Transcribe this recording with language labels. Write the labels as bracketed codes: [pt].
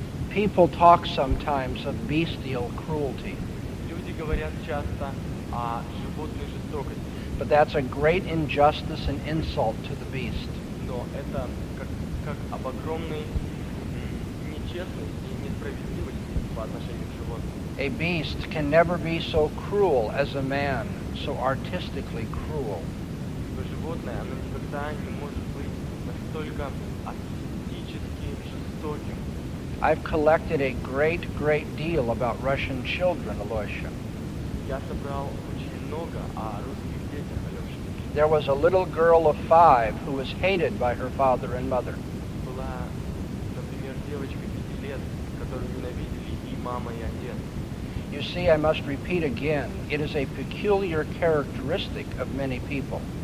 [en] People talk sometimes of bestial cruelty. [ru] Люди говорят часто о животной жестокости. [en] But that's a great injustice and insult to the beast. [ru] Но это как об огромной нечестности и несправедливости по отношению к животным. [en] A beast can never be so cruel as a man, so artistically cruel. [ru] Животное, оно никогда не может быть настолько артистически жестоким. [en] I've collected a great deal about Russian children, Alyosha. [ru] Я собрал очень много о русских детях, Алёша. [en] There was a little girl of 5 who was hated by her father and mother. [ru] Была, например, девочка 5 лет, которую ненавидели и мама, и отец. [en] You see, I must repeat again, it is a peculiar characteristic of many people.